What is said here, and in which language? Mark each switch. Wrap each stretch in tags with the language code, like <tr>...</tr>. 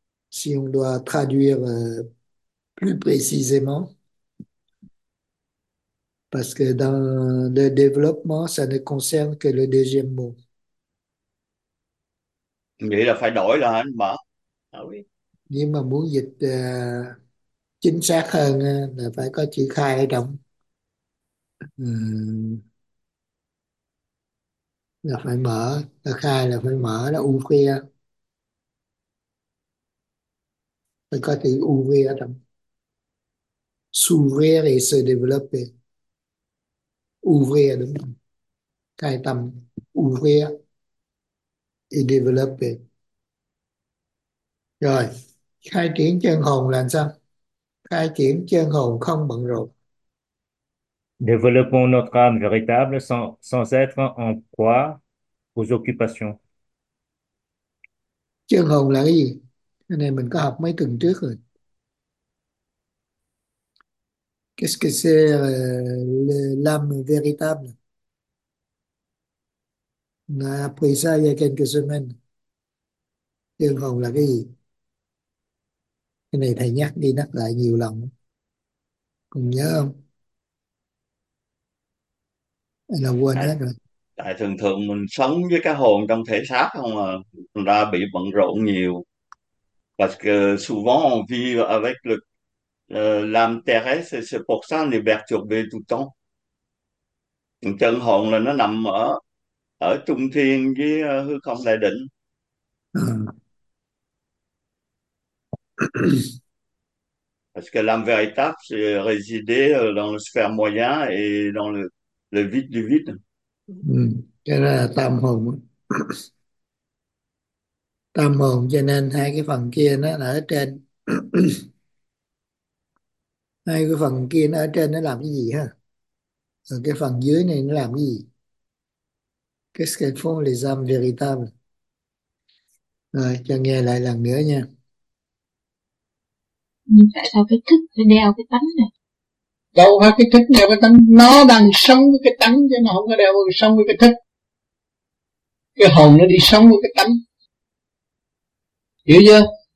<fr>Si on doit traduire plus précisément, parce que dans le développement, ça ne concerne que le deuxième mot.</fr> <vi>Vậy là phải đổi là anh mở.</vi> <fr>À, oui.</fr> <vi>Nhưng mà muốn dịch chính xác hơn là phải có chữ khai ở trong. Là phải mở, là khai, là phải mở, là u khuya, phải có từ u khuya trong</vi> <fr>s'ouvrir et se développer, ouvrir</fr> <vi>đúng không?</vi> <fr>Khai tâm, ouvrir et développer.</fr> <vi>Rồi khai triển chân hồn là sao? Khai triển chân hồn không bận rộn.</vi> <fr>Développons notre âme véritable sans être en proie aux occupations.</fr> <vi>Chân hồn là cái gì? Cái này mình có học mấy tuần trước rồi.</vi> <fr>Qu'est-ce que c'est l'âme véritable? On a appris ça il y a quelques semaines.</fr> <vi>Chân hồn là cái gì? Cái này thầy nhắc đi nhắc lại nhiều lần. Còn nhớ không? Hay là quên hết rồi? Tại thường thường mình sống với cái hồn trong thể xác không à, mình ra bị bận rộn nhiều.</vi> <fr>Parce que souvent on vit avec l'âme terrestre, c'est pour ça qu'on est perturbé tout le temps.</fr> <vi>Chân hồn là nó nằm ở ở trung thiên với hư không đại định.</vi> <fr>Parce que l'âme véritable, c'est résider dans le sphère moyen et dans le vide du vide.</fr> <vi>Cái đó là tam hồn. Tam hồn cho nên hai cái phần kia nó là ở trên. Hai cái phần kia nó ở trên nó làm cái gì ha? Rồi cái phần dưới này nó làm cái gì?</vi> <fr>Qu'est-ce qu'elles font les âmes véritables?</fr> <vi>Rồi, cho nghe lại lần nữa nha. Nhưng tại sao cái thức phải đeo cái tánh này? Đâu phải cái thức đeo cái tánh, nó đang sống với cái tánh chứ nó không có đeo sống với cái thức. Cái hồn nó đi sống với cái tánh, hiểu chưa?</vi>